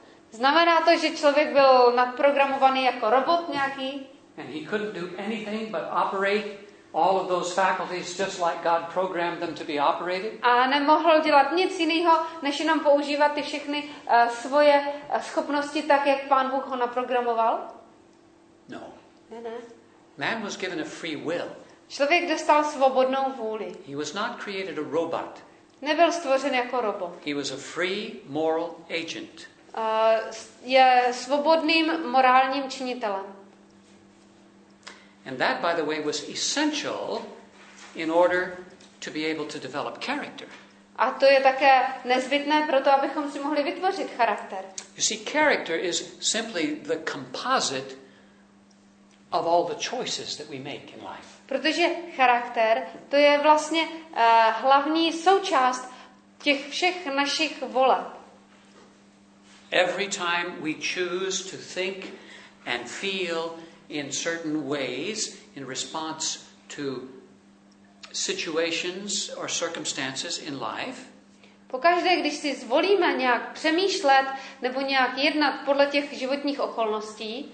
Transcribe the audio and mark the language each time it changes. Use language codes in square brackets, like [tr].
[cs] Znamená to, že člověk byl naprogramovaný jako robot nějaký? [en] And he couldn't do anything but operate all of those faculties just like God programmed them to be operated? [cs] A nemohl dělat nic jiného, než jenom používat ty všechny svoje schopnosti tak, jak Pán Bůh ho naprogramoval? [en] No. [cs] Ne. [en] Man was given a free will. [cs] Člověk dostal svobodnou vůli. [en] He was not created a robot. [cs] Nebyl stvořen jako robot. [en] He was a free moral agent. [cs] Je svobodným morálním činitelem. [en] And that, by the way, was essential in order to be able to develop character. [cs] A to je také nezbytné pro to, abychom si mohli vytvořit charakter. [en] You see, character is simply the composite of all the choices that we make in life. [cs] Protože charakter, to je vlastně hlavní součást těch všech našich voleb. [en] Every time we choose to think and feel in certain ways, in response to situations or circumstances in life. [cs] Pokaždé, když si zvolíme nějak přemýšlet nebo nějak jednat podle těch životních okolností,